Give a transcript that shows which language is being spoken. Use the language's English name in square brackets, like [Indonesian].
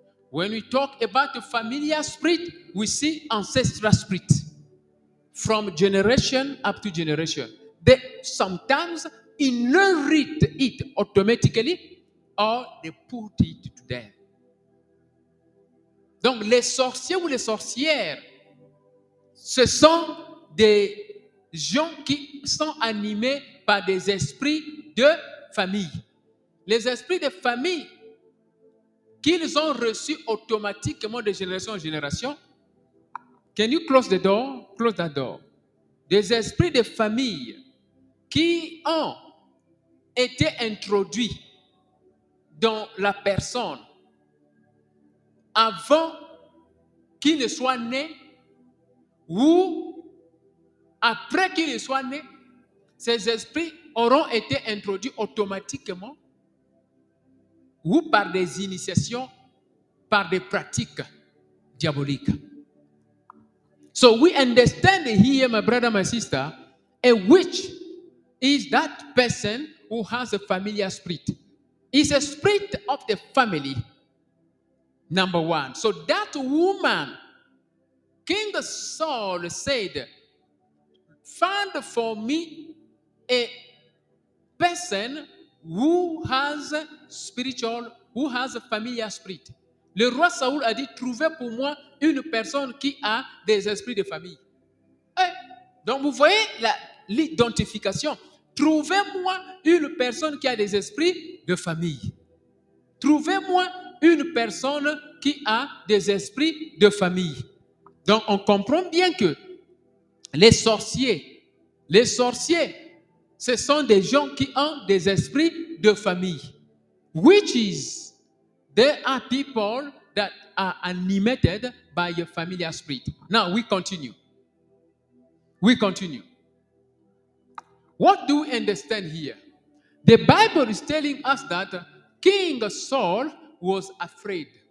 [English] When we talk about the familiar spirit, we see ancestral spirit from generation up to generation. They sometimes inherit it automatically or they put it to them. [French] Donc les sorciers ou les sorcières, ce sont des gens qui sont animés par des esprits de famille. Les esprits de famille qu'ils ont reçus automatiquement de génération en génération. [English] Can you close the door? Close that door. [French] Des esprits de famille qui ont été introduits dans la personne avant qu'il ne soit né ou après qu'il ne soit né, ces esprits auront été introduits automatiquement ou par des initiations, par des pratiques diaboliques. [English] So we understand here, my brother, my sister, a witch is that person who has a familiar spirit. It's a spirit of the family, number one. So that woman, King Saul said, find for me a person who has spiritual, who has a familiar spirit. [French] Le roi Saul a dit, trouvez pour moi une personne qui a des esprits de famille. Et donc vous voyez l'identification. Trouvez-moi une personne qui a des esprits de famille. Trouvez-moi une personne qui a des esprits de famille. Donc on comprend bien que les sorciers, ce sont des gens qui ont des esprits de famille. [English] Witches, there are people that are animated by your familiar spirit. Now we continue. What do we understand here? The Bible is telling us that King Saul was afraid.